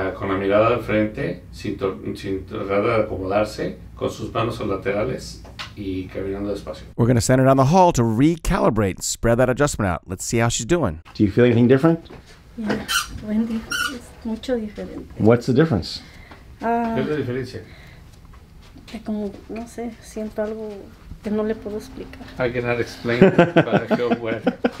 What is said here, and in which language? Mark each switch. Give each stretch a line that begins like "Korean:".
Spanish: Con la mirada al frente, sin tratar de acomodarse, con sus manos a los laterales y caminando despacio.
English: We're going to send her down the hall to recalibrate, spread that adjustment out. Let's see how she's doing. Do you feel anything different?
Spanish: Yeah, Wendy, es mucho diferente.
English: What's the difference?
Spanish: ¿Qué es la diferencia? Que como, no sé, siento algo que no le puedo explicar.
English: I cannot explain it, but I feel better.